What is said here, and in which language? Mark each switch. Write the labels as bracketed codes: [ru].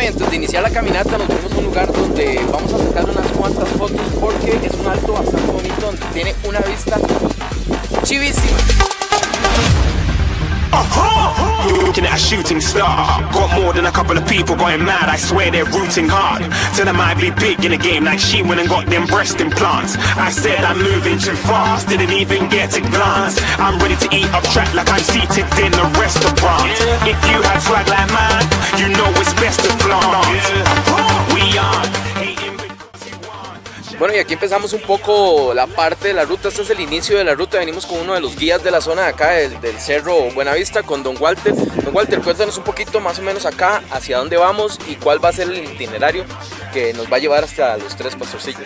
[es] Iniciar la caminata, nos vemos en un lugar donde vamos a sacar unas cuantas fotos porque es un alto bastante bonito donde tiene una vista chivísima. [en] Looking at a shooting star, got more than a couple of people going mad. I swear they're rooting hard. Tell them I'd be big in a game like she went and got them breast implants. I said I'm moving too fast, didn't even get a glance. I'm ready to eat up track like I'm seated in a restaurant. If you had swag like mine, you know it's best to flaunt. We are. [es] Bueno, y aquí empezamos un poco la parte de la ruta. Este es el inicio de la ruta. Venimos con uno de los guías de la zona de acá, del Cerro Buenavista, con Don Walter. Don Walter, cuéntanos un poquito más o menos acá, hacia dónde vamos y cuál va a ser el itinerario que nos va a llevar hasta los tres pastorcillos.